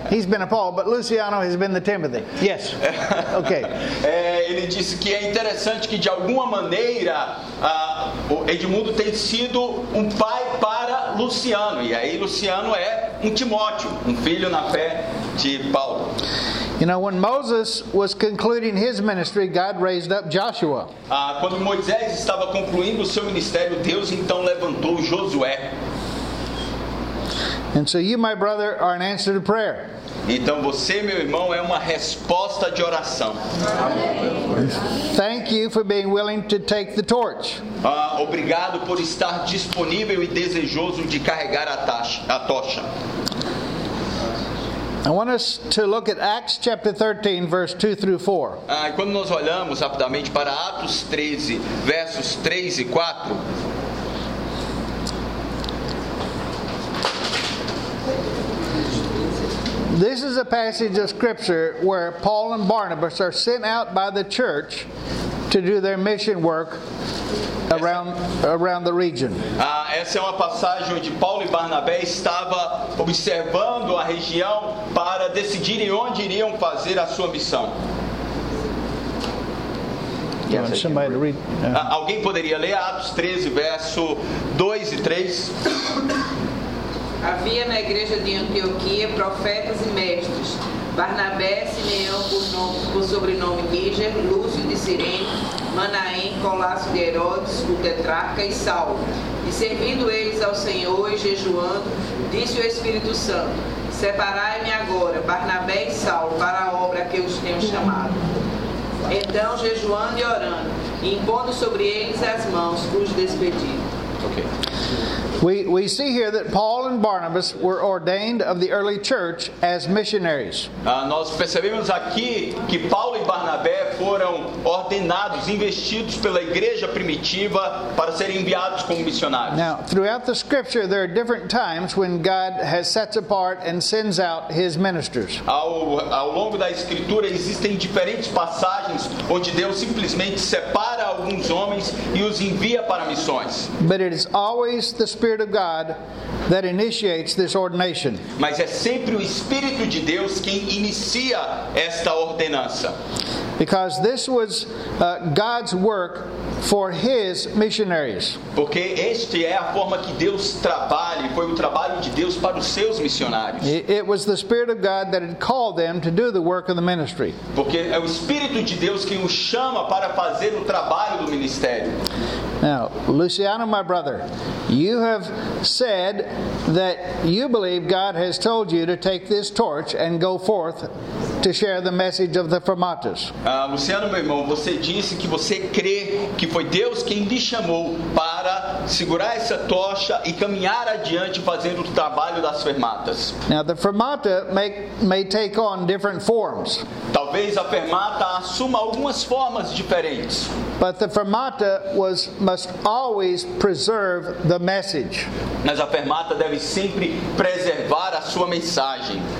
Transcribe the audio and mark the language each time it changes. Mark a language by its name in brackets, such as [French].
[English] He's been a Paul, but Luciano has been the Timothy. Yes. Okay. [Portuguese] Ele disse que é interessante que de alguma maneira o Edmundo tem sido pai para Luciano. E aí Luciano é Timóteo, filho na fé de Paulo. [English] You know, when Moses was concluding his ministry, God raised up Joshua. [Portuguese] Quando Moisés estava concluindo o seu ministério, Deus então levantou Josué. [English] And so you, my brother, are an answer to prayer. [Portuguese] Então você, meu irmão, é uma resposta de oração. [English] Thank you for being willing to take the torch. [Portuguese] Obrigado por estar disponível e desejoso de carregar a tocha. [English] I want us to look at Acts chapter 13, verse 2 through 4. [Portuguese] Quando nós olhamos rapidamente para Atos 13, versos 3 e 4. [English] This is a passage of scripture where Paul and Barnabas are sent out by the church to do their mission work around the region. [Portuguese] Essa é uma passagem onde Paulo e Barnabé estava observando a região para decidirem onde iriam fazer a sua missão. Alguém poderia ler Atos 13, verso 2 e 3? Havia na igreja de Antioquia profetas e mestres: Barnabé, Simeão, por sobrenome Níger, Lúcio de Cirene, Manaém, Colasso de Herodes, o tetrarca, e Saulo. E servindo eles ao Senhor e jejuando, disse o Espírito Santo: Separai-me agora, Barnabé e Saulo, para a obra que os tenho chamado. Então, jejuando e orando, e impondo sobre eles as mãos, os despedi. Ok. [English] We see here that Paul and Barnabas were ordained of the early church as missionaries. [Portuguese] Nós percebemos aqui que Paulo e Barnabé foram ordenados, investidos pela igreja primitiva para serem enviados como missionários. [English] Now, throughout the scripture, there are different times when God has set apart and sends out his ministers. [Portuguese] Ao longo da escritura, existem diferentes passagens onde Deus simplesmente separa alguns homens e os envia para missões. [English] But it is always the Spirit of God that initiates this ordination. [Portuguese] Mas é sempre o Espírito de Deus quem inicia esta ordenança. [English] Because this was God's work for his missionaries. [Portuguese] Porque este é a forma que Deus trabalha, foi o trabalho de Deus para os seus missionários. [English] It was the Spirit of God that had called them to do the work of the ministry. [Portuguese] Porque é o Espírito de Deus quem o chama para fazer o trabalho do ministério. [English] Now, Luciano, my brother, you have said that you believe God has told you to take this torch and go forth to share the message of the Fermatas. [Portuguese] Luciano, meu irmão, você disse que você crê que foi Deus quem lhe chamou para segurar essa tocha e caminhar adiante fazendo o trabalho das Fermatas. [English] Now, the Fermata may take on different forms. [Portuguese] Talvez a Fermata assuma algumas formas diferentes. [English] But the Fermata must always preserve the message. [Portuguese] Mas a Fermata deve sempre preservar a sua mensagem.